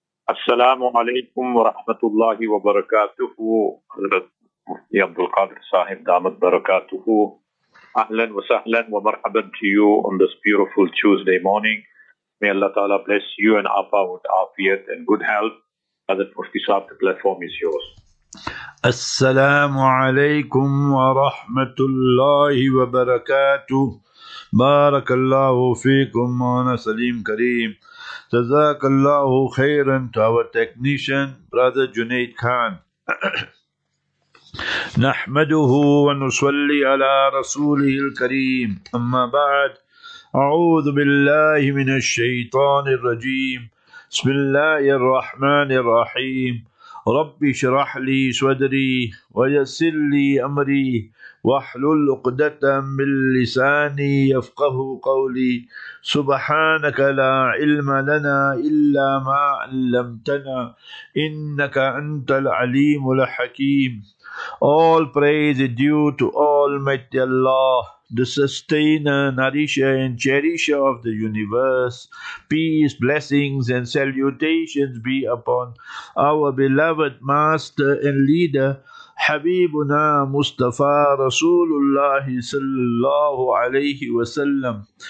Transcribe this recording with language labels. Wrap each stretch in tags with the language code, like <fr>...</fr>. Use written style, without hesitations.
<ar>السلام عليكم ورحمة الله وبركاته، حضرت مفتي عبد القادر صاحب دامت بركاته. أهلا وسهلا ومرحبا</ar> <en>to you on this beautiful Tuesday morning. May Allah Ta'ala bless you and Appa with afiyat and good health. Hazrat Mufti Sahib, the platform is yours.</en> <ar>السلام عليكم ورحمة الله وبركاته. بارك الله فيكم مولانا سليم كريم. جزاك الله خيرا</ar> <en>to our technician brother Junaid Khan.</en> <ar>نحمده ونصلي على رسوله الكريم. أما بعد، أعوذ بالله من الشيطان الرجيم. بسم الله الرحمن الرحيم. رب اشرح لي صدري ويسر لي أمري واحلل عقدة من لساني يفقه قولي. سبحانك لا علم لنا إلا ما علمتنا إنك أنت العليم الحكيم.</ar> <en>All praise is due to Almighty Allah, the sustainer, nourisher, and cherisher of the universe. Peace, blessings, and salutations be upon our beloved master and leader, Habibuna Mustafa Rasulullah sallallahu alayhi wa sallam.</en>